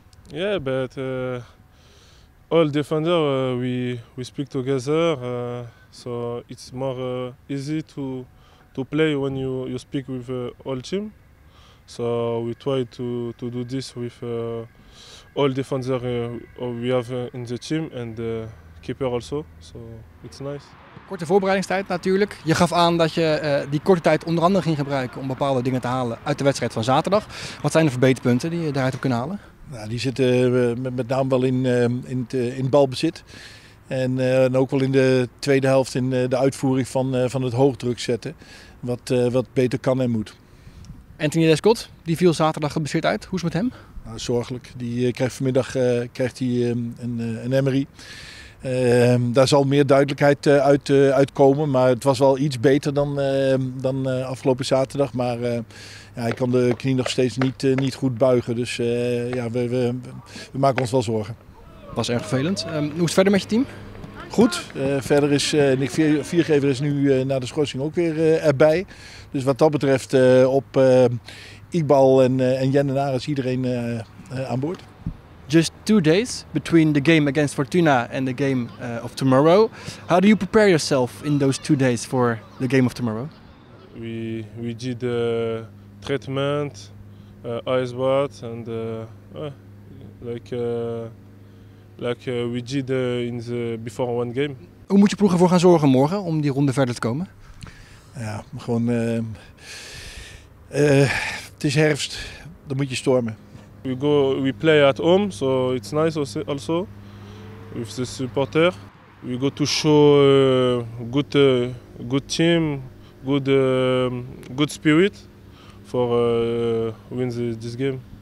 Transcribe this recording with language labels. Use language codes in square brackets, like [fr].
[en] Yeah, but all defenders, we speak together, so it's more easy to play when you speak with all team. So we try to do this with all defenders we have in the team and keeper also, so it's nice. [nl] Korte voorbereidingstijd natuurlijk. Je gaf aan dat je die korte tijd onder andere ging gebruiken om bepaalde dingen te halen uit de wedstrijd van zaterdag. Wat zijn de verbeterpunten die je daaruit hebt kunnen halen? Nou, die zitten met name wel in het balbezit. En ook wel in de tweede helft in de uitvoering van het hoogdruk zetten. Wat beter kan en moet. Anthony Descott, die viel zaterdag geblesseerd uit. Hoe is het met hem? Nou, zorgelijk. Die krijgt vanmiddag een MRI. Daar zal meer duidelijkheid uit komen, maar het was wel iets beter dan afgelopen zaterdag. Maar hij kan de knie nog steeds niet goed buigen, dus we maken ons wel zorgen. Dat was erg vervelend. Hoe is het verder met je team? Goed. Verder is Nick Viergever is nu na de schorsing ook weer erbij. Dus wat dat betreft op Iqbal en Jen en Aris iedereen aan boord. [en] Just 2 days between the game against Fortuna and the game of tomorrow. How do you prepare yourself in those 2 days for the game of tomorrow? We did treatment, ice bath, and we did in the before one game. [nl] Hoe moet je ploeg ervoor gaan zorgen morgen om die ronde verder te komen? Ja, gewoon. Het is herfst, dan moet je stormen. [en] We play at home, so it's nice also with the supporter. We go to show good team, good spirit for win this game.